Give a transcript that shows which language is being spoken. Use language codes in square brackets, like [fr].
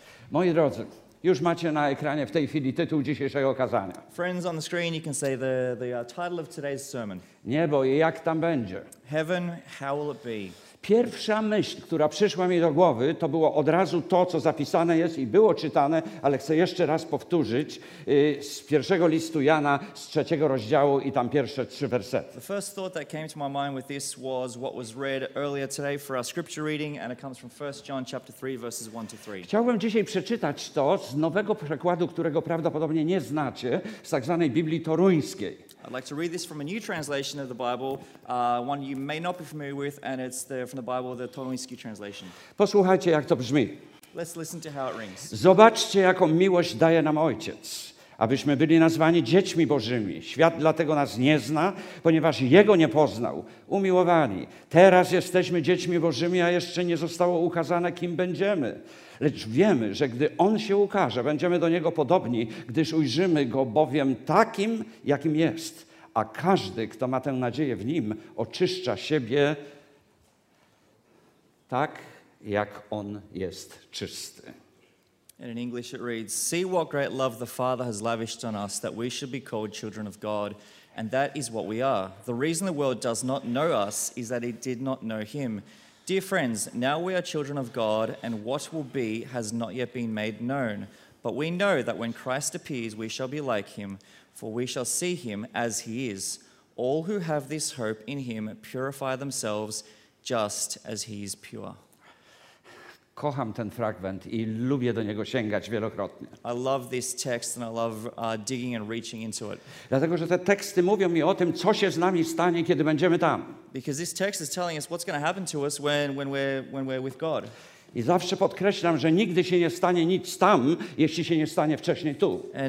[pl] Moi drodzy, już macie na ekranie w tej chwili tytuł dzisiejszego kazania. [en] Friends on the screen, you can see the title of today's sermon. [pl] Niebo i jak tam będzie? [en] Heaven, how will it be? [pl] Pierwsza myśl, która przyszła mi do głowy, to było od razu to, co zapisane jest i było czytane, ale chcę jeszcze raz powtórzyć z pierwszego listu Jana, z trzeciego rozdziału i tam pierwsze trzy wersety. [en] The first thought that came to my mind with this was what was read earlier today for our scripture reading, and it comes from 1 John chapter 3, verses 1-3. [pl] Chciałbym dzisiaj przeczytać to z nowego przekładu, którego prawdopodobnie nie znacie, z tak zwanej Biblii Toruńskiej. [en] I'd like to read this from a new translation of the Bible, one you may not be familiar with, and it's from the Bible, the Toruński translation. [pl] Posłuchajcie, jak to brzmi. [en] Let's listen to how it rings. [pl] Zobaczcie, jaką miłość daje nam Ojciec, abyśmy byli nazwani dziećmi Bożymi. Świat dlatego nas nie zna, ponieważ Jego nie poznał. Umiłowani, teraz jesteśmy dziećmi Bożymi, a jeszcze nie zostało ukazane, kim będziemy. Lecz wiemy, że gdy On się ukaże, będziemy do Niego podobni, gdyż ujrzymy Go bowiem takim, jakim jest. A każdy, kto ma tę nadzieję w Nim, oczyszcza siebie tak, jak On jest czysty. [en] And in English it reads, "See what great love the Father has lavished on us, that we should be called children of God, and that is what we are. The reason the world does not know us is that it did not know Him. Dear friends, now we are children of God, and what will be has not yet been made known. But we know that when Christ appears, we shall be like Him, for we shall see Him as He is. All who have this hope in Him purify themselves, just as He is pure." [pl] Kocham ten fragment i lubię do niego sięgać wielokrotnie. [en] I love this text and I love digging and reaching into it. [pl] Dlatego, że te teksty mówią mi o tym, co się z nami stanie, kiedy będziemy tam. [en] Because this text is telling us what's going to happen to us when we're with God. [pl] I zawsze podkreślam, że nigdy się nie stanie nic tam, jeśli się nie stanie wcześniej tu.